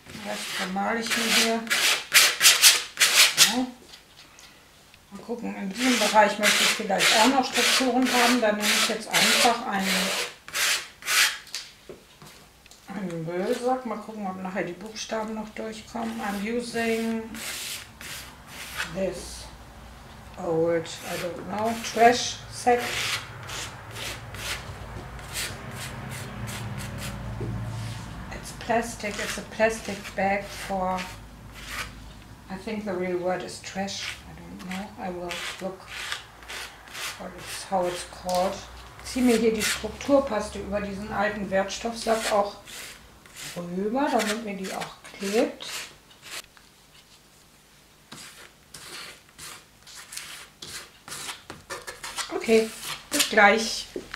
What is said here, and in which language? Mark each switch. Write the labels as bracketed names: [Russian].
[German] Das vermale ich mir hier. So. Mal gucken, in diesem Bereich möchte ich vielleicht auch noch Strukturen haben. Da nehme ich jetzt einfach einen Müllsack. Mal gucken, ob nachher die Buchstaben noch durchkommen. [English] I'm using this old, I don't know, trash sack. Plastic, it's a plastic bag for, I think the real word is trash, I don't know, I will look what it's, how it's called. [German] Ich ziehe mir hier die Strukturpaste über diesen alten Wertstoffsack auch rüber, damit mir die auch klebt. Okay, bis gleich.